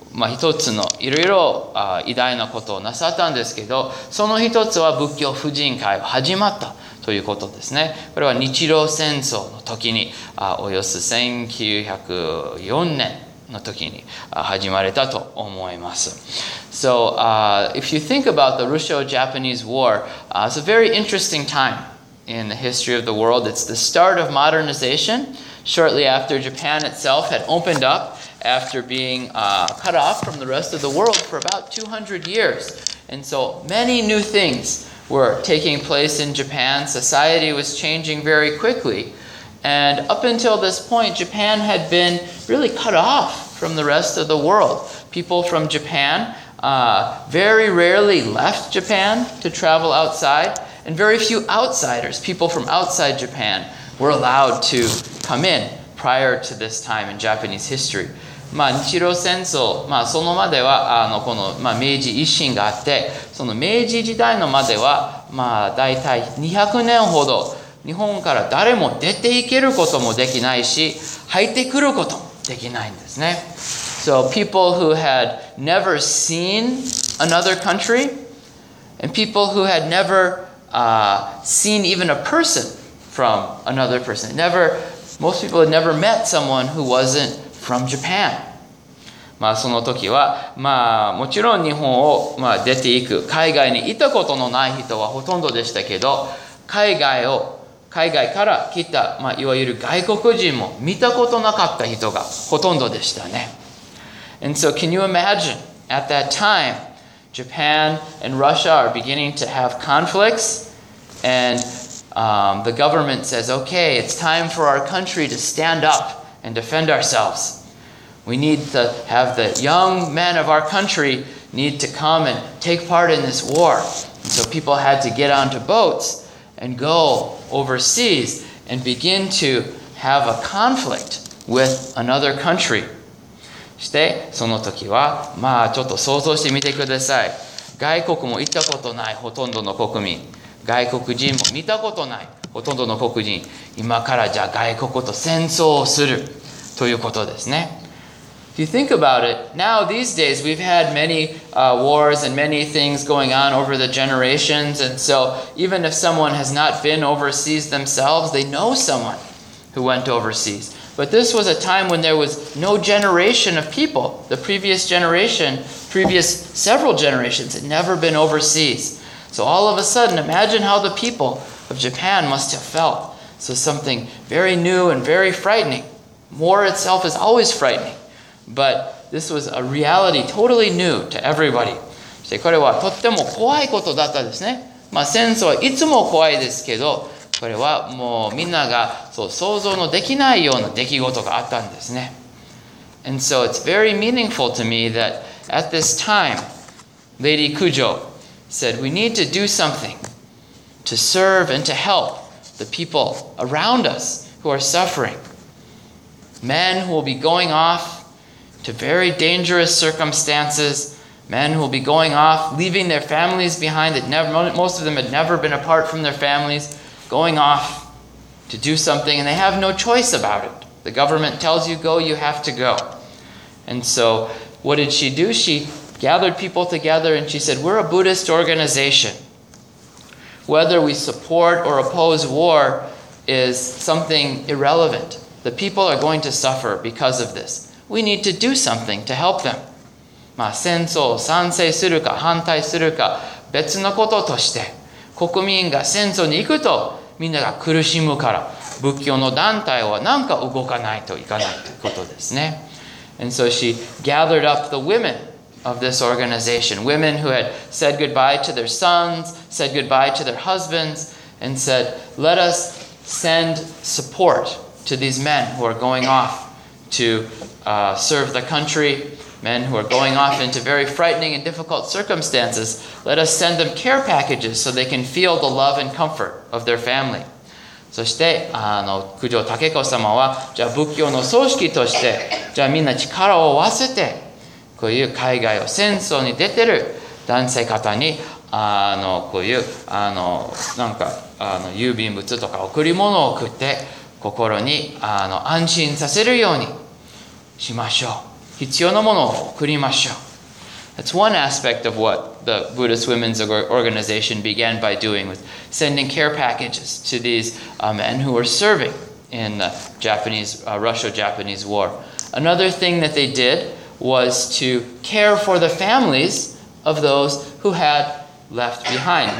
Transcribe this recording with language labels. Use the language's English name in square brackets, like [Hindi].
[Japanese] 一つのいろいろ偉大なことをなさったんですけど、その一つは仏教婦人会が始まったということですね。これは日露戦争の時に、およそ1904年の時に始まれたと思います。 [English] So, if you think about the Russo-Japanese War, it's a very interesting time in the history of the world. It's the start of modernization, shortly after Japan itself had opened up after being cut off from the rest of the world for about 200 years. And so many new things were taking place in Japan. Society was changing very quickly. And up until this point, Japan had been really cut off from the rest of the world. People from Japan very rarely left Japan to travel outside, and very few outsiders, people from outside Japan, were allowed to come in prior to this time in Japanese history. [Japanese] まあ、日露戦争、まあ、そのまでは、あのこの、まあ、明治維新があって、その明治時代のまでは、まあ、大体200年ほど、日本から誰も出て行けることもできないし、入ってくることもできないんですね。 [English] So, people who had never seen another country, and people who had never, seen even a person from another person. Never, most people had never met someone who wasn't from Japan. [Japanese] まあその時は、まあもちろん日本を、まあ、出ていく、海外に行ったことのない人はほとんどでしたけど、海外から来た、まあ、いわゆる外国人も見たことなかった人がほとんどでしたね。 [English] And so can you imagine, at that time, Japan and Russia are beginning to have conflicts, and the government says, okay, it's time for our country to stand up and defend ourselves. We need to have the young men of our country need to come and take part in this war. And so people had to get onto boats and go overseas and begin to have a conflict with another country. [Japanese] してその時はまあちょっと想像してみてください。外国も行ったことないほとんどの国民、外国人も見たことないほとんどの国人、今からじゃあ外国と戦争をするということですね。 [English] If you think about it, now these days we've had many wars and many things going on over the generations, and so even if someone has not been overseas themselves, they know someone who went overseas. But this was a time when there was no generation of people. The previous generation, previous several generations had never been overseas. So all of a sudden, imagine how the people of Japan must have felt. So something very new and very frightening. War itself is always frightening. But this was a reality totally new to everybody. [Japanese] そしてこれはとっても怖いことだったですね。まあ戦争はいつも怖いですけど、これはもうみんながそう想像のできないような出来事があったんですね。 [English] And so it's very meaningful to me that at this time, Lady Kujo said, we need to do something to serve and to help the people around us who are suffering. Men who will be going off to very dangerous circumstances, men who will be going off, leaving their families behind, that never, most of them had never been apart from their families,going off to do something, and they have no choice about it. The government tells you go, you have to go. And so what did she do? She gathered people together and she said, we're a Buddhist organization. Whether we support or oppose war is something irrelevant. The people are going to suffer because of this. We need to do something to help them. [Japanese] まあ戦争を賛成するか反対するか別のこととして国民が戦争に行くとみんなが苦しむから仏教の団体は何か動かないといかないということですね。 [English] And so she gathered up the women of this organization, women who had said goodbye to their sons, said goodbye to their husbands, and said, let us send support to these men who are going off to serve the country, men who are going off into very frightening and difficult circumstances, let us send them care packages so they can feel the love and comfort of their family. [Japanese] そしてあの九条武子様はじゃあ仏教の組織としてじゃあみんな力を合わせてこういう海外を戦争に出てる男性方にあのこういうあのなんかあの郵便物とか贈り物を送って心にあの安心させるようにしましょう。必要なものを送りましょう。 [English] That's one aspect of what the Buddhist Women's Organization began by doing with sending care packages to these men who were serving in the Japanese, Russo-Japanese War. Another thing that they did was to care for the families of those who had left behind.